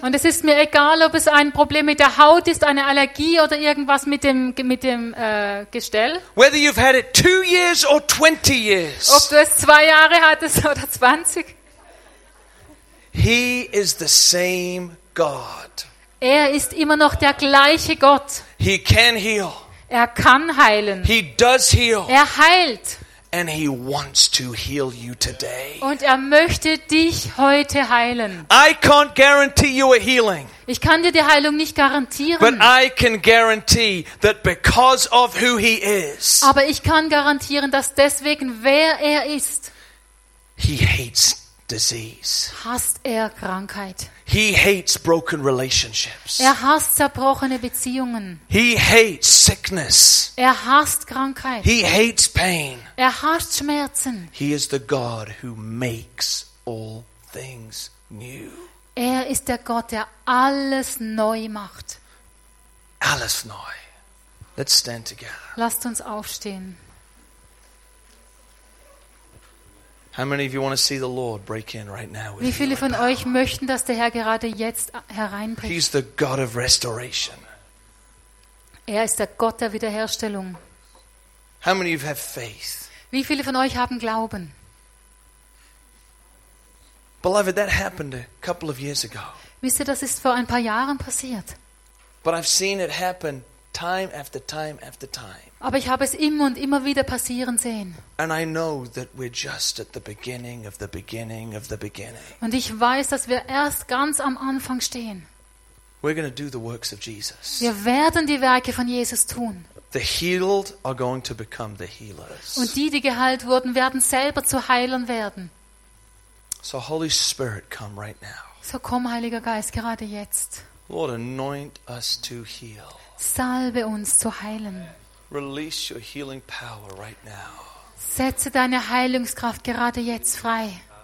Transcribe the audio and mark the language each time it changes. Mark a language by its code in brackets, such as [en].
[de] Und es ist mir egal, ob es ein Problem mit der Haut ist, eine Allergie oder irgendwas mit dem Gestell. [en] Whether you've had it 2 years or 20 years. [de] Ob du es 2 Jahre hattest oder 20. [en] He is the same God. [de] Er ist immer noch der gleiche Gott. [en] He can heal. [de] Er kann heilen. [en] He does heal. [de] Er heilt. [en] And he wants to heal you today. [de] Und er möchte dich heute heilen. [en] I can't guarantee you a healing. [de] Ich kann dir die Heilung nicht garantieren. [en] But I can guarantee that because of who he is. [de] Aber ich kann garantieren, dass deswegen, wer er ist, [en] he hates disease. [de] Hasst er Krankheit. [en] He hates broken relationships. [de] Er hasst zerbrochene Beziehungen. [en] He hates sickness. [de] Er hasst Krankheit. [en] He hates pain. [de] Er hasst Schmerzen. [en] He is the God who makes all things new. [de] Er ist der Gott, der alles neu macht. Alles neu. [en] Let's stand together. [de] Lasst uns aufstehen. [en] How many of you want to see the Lord break in right now with [de] Wie viele von euch möchten, dass der Herr gerade jetzt hereinbricht? [en] He's the God of restoration. [de] Er ist der Gott der Wiederherstellung. [en] How many of you have faith? [de] Wie viele von euch haben Glauben? [en] Beloved, that happened a couple of years ago. [de] Wisst ihr, das ist vor ein paar Jahren passiert. [en] But I've seen it happen time after time after time. [de] Aber ich habe es immer und immer wieder passieren sehen. [en] And I know that we're just at the beginning of the beginning of the beginning. [de] Und ich weiß, dass wir erst ganz am Anfang stehen. [en] We're going to do the works of Jesus. [de] Wir werden die Werke von Jesus tun. [en] The healed are going to become the healers. [de] Und die, die geheilt wurden, werden selber zu Heilern werden. [en] So Holy Spirit, come right now. [de] So komm, Heiliger Geist, gerade jetzt. [en] Lord, anoint us to heal. [de] Salbe uns zu heilen. [en] Release your healing power right now. [de] Setze deine Heilungskraft gerade jetzt frei.